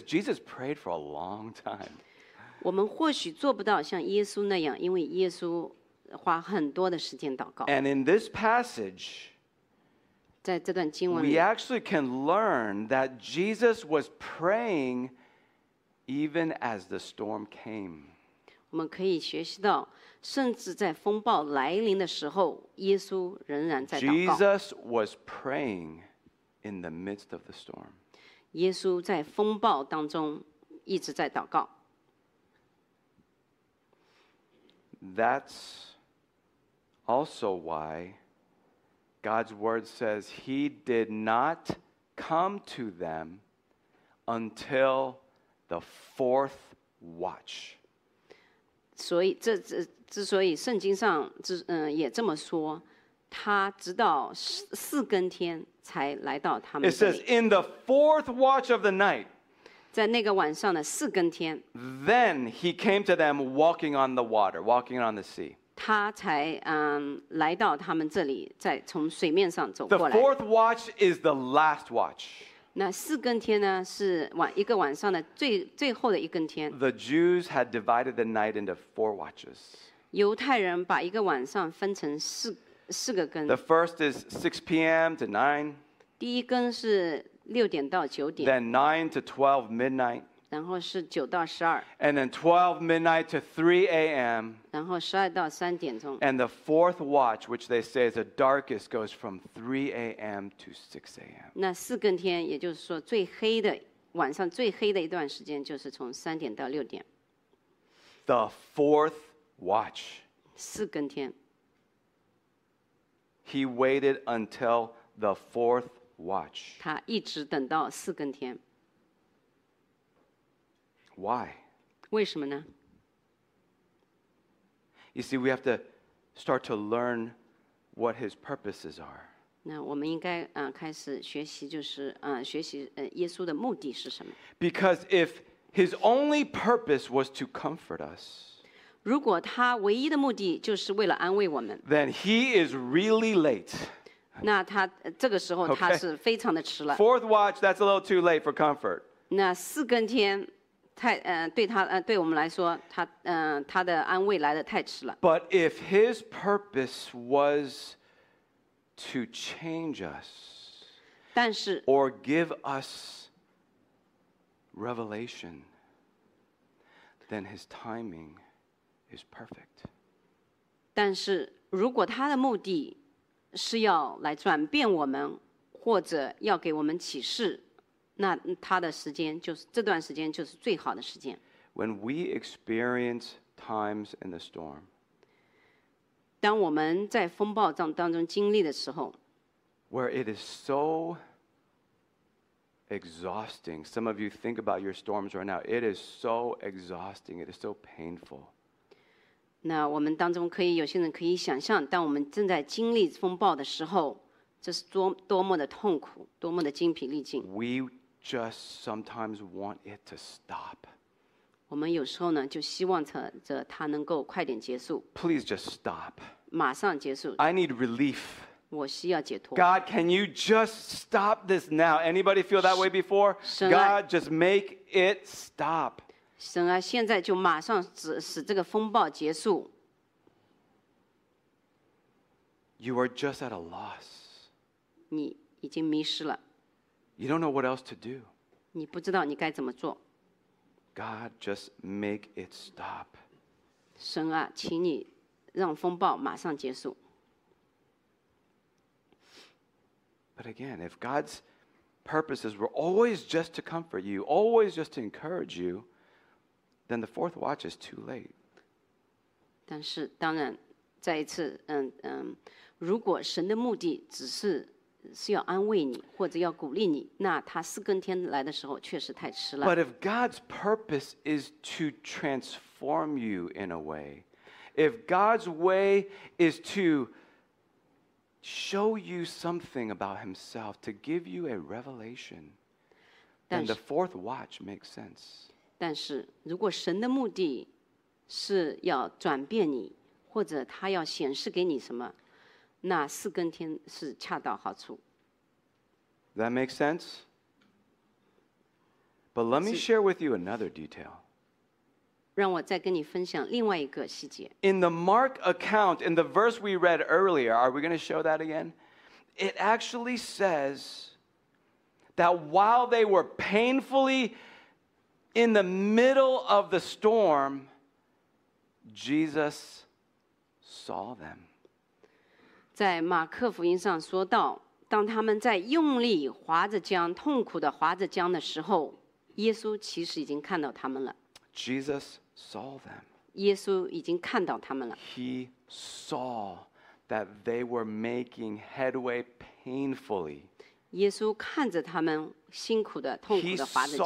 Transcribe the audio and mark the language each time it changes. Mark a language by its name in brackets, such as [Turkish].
[English] Jesus prayed for a long time. [Chinese] 我们或许做不到像耶稣那样，因为耶稣花很多的时间祷告。 [English] And in this passage, [Chinese] 在这段经文里, [English] we actually can learn that Jesus was praying even as the storm came. [Chinese] 我们可以学习到，甚至在风暴来临的时候，耶稣仍然在祷告。 [English] Jesus was praying in the midst of the storm. [Chinese] 耶稣在风暴当中一直在祷告。 [English] That's also why. God's word says he did not come to them until the fourth watch. [Chinese] 所以这之所以圣经上也这么说，他直到四更天才来到他们。 [English] It says in the fourth watch of the night. [Chinese] 在那个晚上的四更天。 [English] Then he came to them walking on the water, walking on the sea. [Chinese] 他才来到他们这里，再从水面上走过来。 [English] The fourth watch is the last watch. [Chinese] 那四更天呢，是一个晚上的最后的一更天。 [English] The Jews had divided the night into four watches. [Chinese] 犹太人把一个晚上分成四个更。 [English] The first is 6 p.m. to 9. [Chinese] 第一更是六点到九点。 [English] Then 9 to 12 midnight. [Chinese] 然后是九到十二。 [English] And then 12 midnight to 3 a.m. [Chinese] 然后十二到三点钟。 [English] And the fourth watch, which they say is the darkest, goes from 3 a.m. to 6 a.m. [Chinese] 那四更天，也就是说最黑的，晚上最黑的一段时间就是从三点到六点。 [English] The fourth watch. [Chinese] 四更天。 [English] He waited until the fourth watch. [Chinese] 他一直等到四更天。 [English] Why? [Chinese] 为什么呢? [English] You see, we have to start to learn what his purposes are. [Chinese] 那我们应该开始学习，就是学习耶稣的目的是什么。 [English] Because if his only purpose was to comfort us, [Chinese] 如果他唯一的目的就是为了安慰我们, [English] then he is really late. [Chinese] 那他这个时候他是非常的迟了。 [English] Fourth watch, that's a little too late for comfort. [Chinese] 那四更天对他对我们来说，他的安慰来得太迟了。 [English] But if his purpose was to change us, [Chinese] 但是 [English] or give us revelation, then his timing is perfect. [Chinese] 但是如果他的目的是要来转变我们，或者要给我们启示。那他的时间就是这段时间就是最好的时间。 [English] When we experience times in the storm, [Chinese] 当我们在风暴当中经历的时候， [English] where it is so exhausting, some of you think about your storms right now, it is so exhausting, it is so painful. [Chinese] 那我们当中可以有些人可以想象，当我们正在经历风暴的时候，这是多么的痛苦，多么的精疲力尽。 [English] We just sometimes want it to stop. [Chinese] 我们有时候呢，就希望它能够快点结束。 [English] Please just stop. [Chinese] 马上结束。 [English] I need relief. [Chinese] 我需要解脱。 [English] God, can you just stop this now? Anybody feel that way before? [Chinese] 神啊, [English] God, just make it stop. [Chinese] 神啊，现在就马上使这个风暴结束。 [English] You are just at a loss. [Chinese] 你已经迷失了。 [English] You don't know what else to do. [Chinese] 你不知道你该怎么做。 [English] God, just make it stop. [Chinese] 神啊，请你让风暴马上结束。 [English] But again, if God's purposes were always just to comfort you, always just to encourage you, then the fourth watch is too late. [Chinese] 但是当然，再一次，如果神的目的只是是要安慰你或者要鼓励你，那他四更天来的时候确实太迟了。 [English] But if God's purpose is to transform you in a way, if God's way is to show you something about himself to give you a revelation, then the fourth watch makes sense. [Chinese] 但是如果神的目的是要转变你，或者他要显示给你什么，那四更天是恰到好处。 [English] That makes sense? But let me share with you another detail. [Chinese] 让我再跟你分享另外一个细节。 [English] In the Mark account, in the verse we read earlier, are we going to show that again? It actually says that while they were painfully in the middle of the storm, Jesus saw them. [Chinese] 在马克福音上说到，当他们在用力划着桨，痛苦地划着桨的时候，耶稣其实已经看到他们了。 [English] Jesus saw them. [Chinese] 耶稣已经看到他们了。 [English] He saw that they were making headway painfully. [Chinese] 耶稣看着他们辛苦地、痛苦地划着桨。